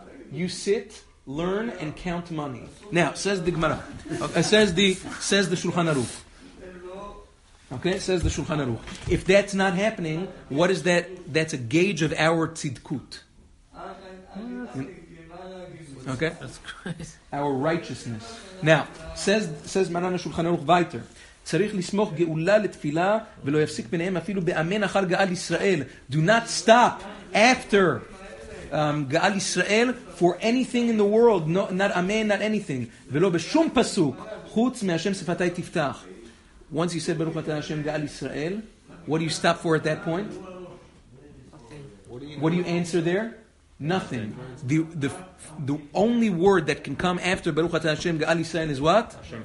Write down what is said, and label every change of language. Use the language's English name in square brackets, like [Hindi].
[English] You sit, learn, and count money. Now says the Gemara, says the Shulchan Aruch. Okay, says the Shulchan Aruch. If that's not happening, what is that? That's a gauge of our tzidkut. Okay, that's crazy. Our righteousness. Now, says Maran Shulchan Aruch Vayter, [Hebrew] צריך לסמוך גאולה לתפילה ולא יפסיק ביניהם אפילו באמן אחר גאל ישראל. [English] Do not stop after גאל ישראל for anything in the world. No, not amen, not anything. [Hebrew] ולא בשום פסוק חוץ מהשם שפתי תפתח. [English] Once you said Baruch Atah Hashem Gaal Yisrael, what do you stop for at that point? What do you answer there? Nothing. The only word that can come after Baruch Atah Hashem Gaal Yisrael is what?